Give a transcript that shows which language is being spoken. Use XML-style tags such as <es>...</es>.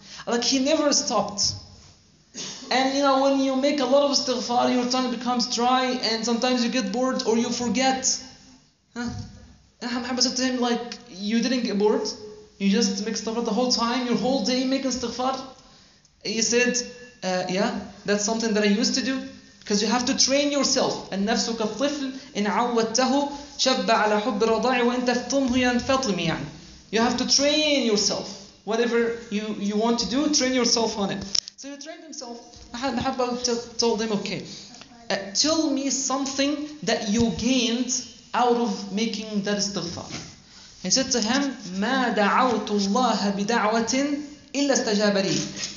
<en>Like he never stopped. And you know, when you make a lot of istighfar, your tongue becomes dry and sometimes you get bored or you forget. Huh? Ahmad ibn Hanbal said to him, like, you didn't get bored. You just make istighfar the whole time, your whole day making istighfar. He said, yeah, that's something that I used to do. Because you have to train yourself.</en> <ar>And نفسك الطفل إن عودته شب على حب الرضاع وإن تفطمه ينفطم يعني.</ar> <en>You have to train yourself. Whatever you want to do, train yourself on it. So he trained himself. Mahabba told him, okay, tell me something that you gained out of making that istighfar. He said to him,</en> <ar>مَا دَعَوْتُ اللَّهَ بِدَعْوَةٍ إِلَّا اسْتَجَابَ لِي.</ar>